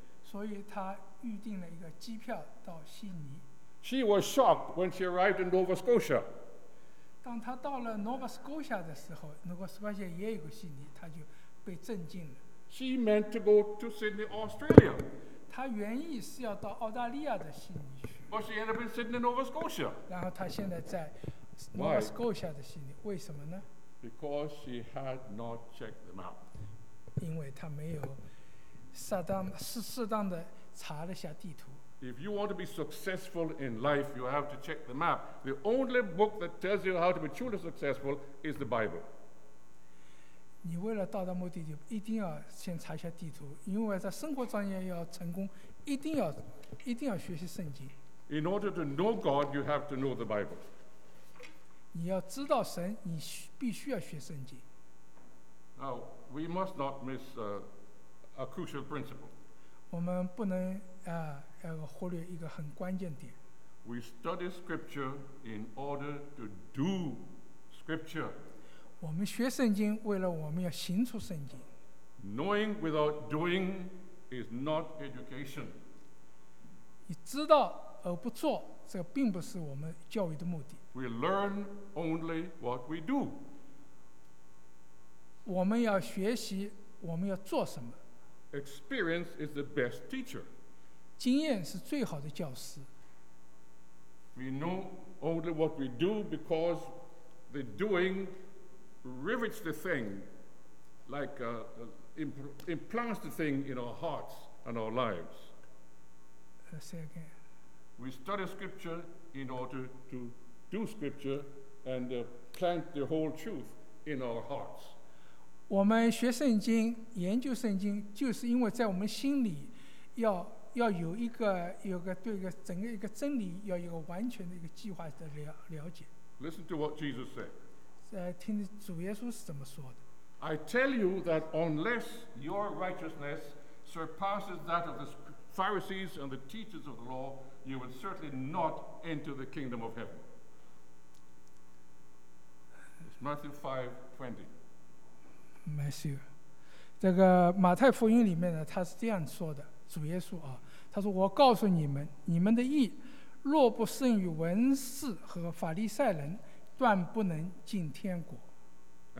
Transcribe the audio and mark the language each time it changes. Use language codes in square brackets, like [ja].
[zh] 所以她预定了一个机票到悉尼。 [en] She was shocked when she arrived in Nova Scotia. [zh] 当他到了 Nova Scotia 的时候 ，Nova Scotia 也有个悉尼，他就被震惊了。 [en] She meant to go to Sydney, Australia. [zh] 他原意是要到澳大利亚的悉尼去。 [en] But she ended up in Sydney, Nova Scotia. [zh] 然后他现在在 Nova Scotia 的悉尼， [en] Why? [zh] 为什么呢 [en] ？Because she had not checked the map. [zh] 因为他没有适当的查了下地图。 [en] If you want to be successful in life, you have to check the map. The only book that tells you how to be truly successful is the Bible. [zh] 你为了到达目的地，一定要先查一下地图，因为在生活中间要成功，一定要学习圣经。 [en] In order to know God, you have to know the Bible. [zh] 你要知道神，你必须要学圣经。 [en] Now, we must not miss a crucial principle. [zh] 我们不能忽略一个很关键点。 [en] We study scripture in order to do scripture. [zh] 我们学圣经为了我们要行出圣经。 [en] Knowing without doing is not education. [zh] 你知道而不做，这并不是我们教育的目的。 [en] We learn only what we do. [zh] 我们要学习，我们要做什么。 [en] Experience is the best teacher. [zh] 经验是最好的教师。 [en] We know only what we do because the doing rivets the thing, like implants the thing in our hearts and our lives. Say again. We study scripture in order to do scripture and plant the whole truth in our hearts. [zh] 我们学圣经、研究圣经，就是因为在我们心里要有一个对一个整个一个真理要有完全的一个计划的了解。 [en] Listen to what Jesus said. [zh] 在听主耶稣是怎么说的。 [en] I tell you that unless your righteousness surpasses that of the Pharisees and the teachers of the law, you will certainly not enter the kingdom of heaven. Matthew 5:20. [zh] Matthew， 这个马太福音里面呢，他是这样说的，主耶稣啊，他说：“我告诉你们，你们的义若不胜于文士和法利赛人，断不能进天国。”